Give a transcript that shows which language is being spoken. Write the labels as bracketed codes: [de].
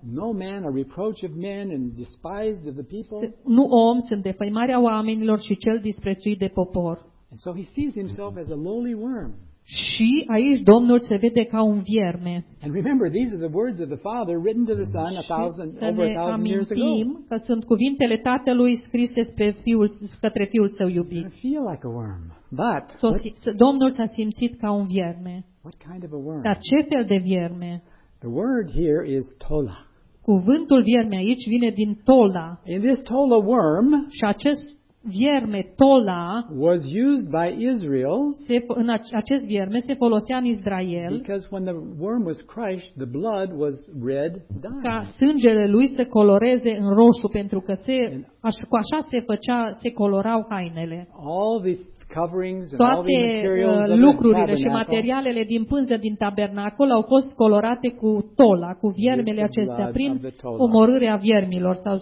[en] No man, a reproach of men and despised of the people. [ro] Nu om, sunt defăimarea oamenilor și cel disprețuit de popor. [en] And so he sees himself as a lowly worm. [ro] Și aici Domnul se vede ca un vierme. [en] And remember, these are the words of the Father written to the Son over 1,000 years ago. [ro] Să ne amintim că sunt cuvintele Tatălui scrise spre fiul, către fiul său iubit. [en] He feels like a worm, but [ro] Domnul s-a simțit ca un vierme. [en] What kind of a worm? [ro] Dar ce fel de vierme? [en] The word here is tola. [ro] Cuvântul vierme aici vine din tola. [en] In this tola worm. [ro] Și acest vierme tola [en] was used by Israel. [ro] Acest vierme se folosea în Israel. [en] Because when the worm was crushed, the blood was red dye. [ro] Ca sângele lui să coloreze în roșu, pentru că așa se făcea, se colorau hainele. [en] All these coverings and [ro] toate [en] all the materials [ro] lucrurile și materialele din pânză din tabernacol au fost colorate cu tola, cu viermele acestea, prin omorârea viermilor.